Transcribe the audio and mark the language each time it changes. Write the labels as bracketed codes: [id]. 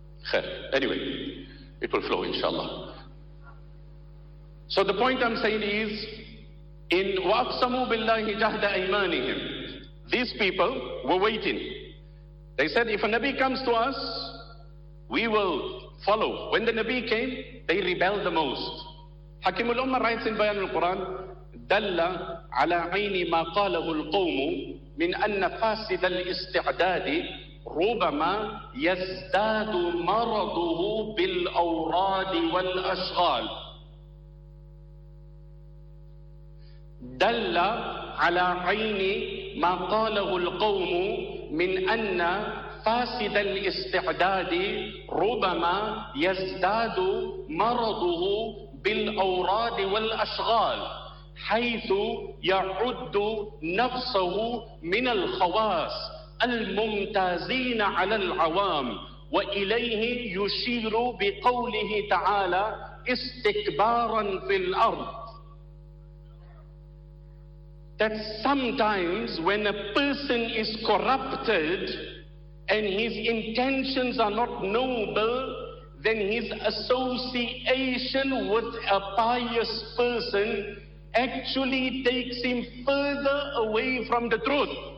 [en] Khair. Anyway, it will flow, inshallah. So the point I'm saying is, in [ar] وَأَقْسَمُوا بِاللَّهِ جَهْدَ أَيْمَانِهِمْ, [en] these people were waiting. They said, if a Nabi comes to us, we will follow. When the Nabi came, they rebelled the most. [ar] حكيم الأمة [en] writes in [ar] بيان القرآن دل على عين ما قاله القوم من أن فاسد الاستعداد ربما يزداد مرضه بالأوراد والأشغال. دل على عين ما قاله القوم من أن فاسد الاستعداد ربما يزداد مرضه بالأوراد والأشغال حيث يعد نفسه من الخواص الممتازين على العوام وإليه يشير بقوله تعالى استكبارا في الأرض. [en] That sometimes when a person is corrupted and his intentions are not noble, then his association with a pious person actually takes him further away from the truth.